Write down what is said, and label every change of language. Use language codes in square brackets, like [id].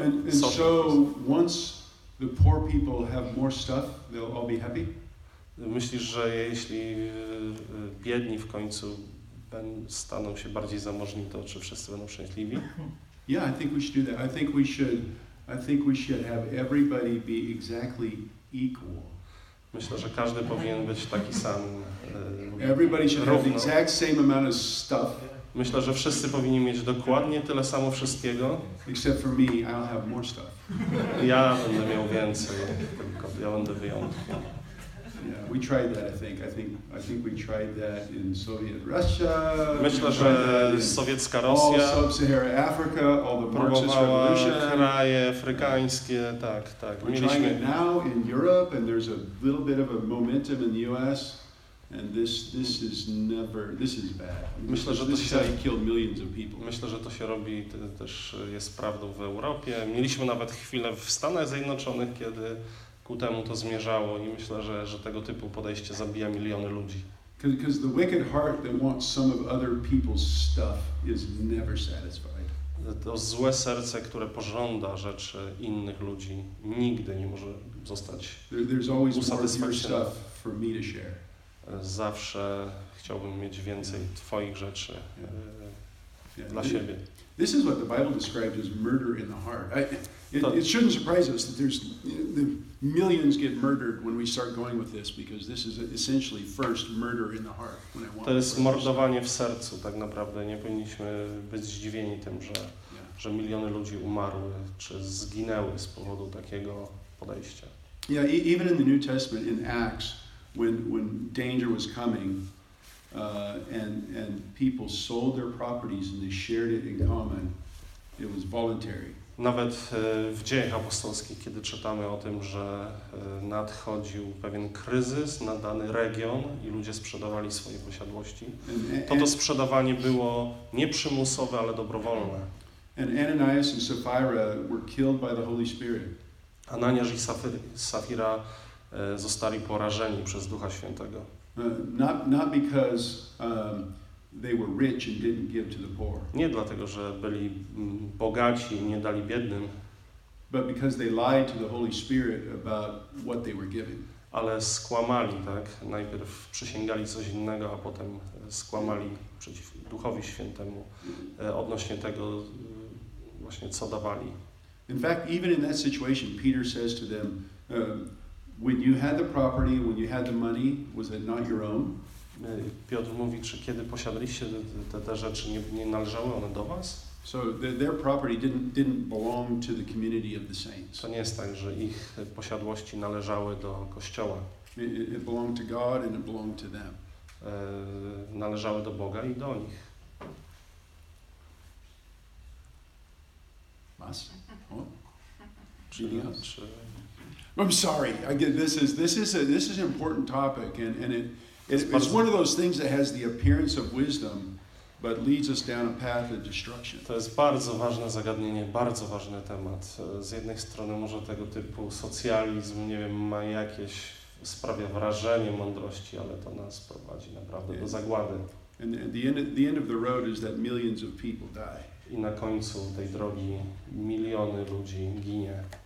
[en] So once the poor people have more stuff, they'll all be happy. [pl] Myślisz, że jeśli biedni w końcu staną się bardziej zamożni, to czy wszyscy będą szczęśliwi? [en] Yeah, I think we should do that. I think we should have everybody be exactly equal. [pl] Myślę, że każdy powinien być taki sam. [en] Everybody should have the exact same amount of stuff. [pl] Myślę, że wszyscy powinni mieć dokładnie tyle samo wszystkiego. [en] Except for me, I'll have more stuff. [pl] Ja będę miał więcej, tylko ja będę wyjątkiem. [en] Yeah, we tried that, I think we tried that in Soviet Russia. [pl] Myślę, że sowiecka Rosja. [en] All sub-Saharan Africa, all the Marxist revolution. [pl] Kraje afrykańskie, tak. [en] We're trying it now in Europe, and there's a little bit of a momentum in the U.S. And this is never. This is bad. [pl] Myślę, że [en] this is how you kill millions of people. [pl] Myślę, że to się robi też jest prawdą w Europie. Mieliśmy nawet chwilę w Stanach Zjednoczonych, kiedy ku temu to zmierzało i myślę, że tego typu podejście zabija miliony ludzi. [en] Because the wicked heart that wants some of other people's stuff is never satisfied. [pl] To złe serce, które pożąda rzeczy innych ludzi, nigdy nie może zostać usatysfakcjonowane. Zawsze chciałbym mieć więcej twoich rzeczy dla siebie. [en] This is what the Bible describes as murder in the heart. It shouldn't surprise us that there's the millions get murdered when we start going with this, because this is essentially first murder in the heart. When I want [pl] to jest mordowanie w sercu, tak naprawdę. Nie powinniśmy być zdziwieni tym, że miliony ludzi umarły czy zginęły z powodu takiego podejścia. [en] Yeah, even in the New Testament, in Acts, when danger was coming, and people sold their properties and they shared it in common, it was voluntary. [pl] Nawet w Dziejach Apostolskich, kiedy czytamy o tym, że nadchodził pewien kryzys na dany region i ludzie sprzedawali swoje posiadłości, to sprzedawanie było nie przymusowe, ale dobrowolne. [en] And Ananias and Sapphira were killed by the Holy Spirit. [pl] Ananiasz i Safira zostali porażeni przez Ducha Świętego. [en] Not because they were rich and didn't give to the poor. [pl] Nie dlatego, że byli bogaci i nie dali biednym. [en] But because they lied to the Holy Spirit about what they were giving. [pl] Ale skłamali, tak? Najpierw przysięgali coś innego, a potem skłamali przeciw Duchowi Świętemu odnośnie tego właśnie co dawali. [en] In fact, even in that situation, Peter says to them, when you had the property, when you had the money, was it not your own? [pl] Piotr mówi, czy kiedy posiadaliście te rzeczy, nie należały one do was? [en] So their property didn't belong to the community of the saints. [pl] To nie jest tak, że ich posiadłości należały do kościoła. [en] It belonged to God and it belonged to them. [pl] Należały do Boga i do nich. Mas? Czyli [en] I'm sorry. This is an important topic and it's one of those things that has the appearance of wisdom, but leads us down a path of destruction. [pl] To jest bardzo ważne zagadnienie, bardzo ważny temat. Z jednej strony może tego typu socjalizm, nie wiem, ma jakieś, sprawia wrażenie mądrości, ale to nas prowadzi naprawdę do zagłady. [en] And the end of the road is that millions of people die. [pl] I na końcu tej drogi miliony ludzi ginie.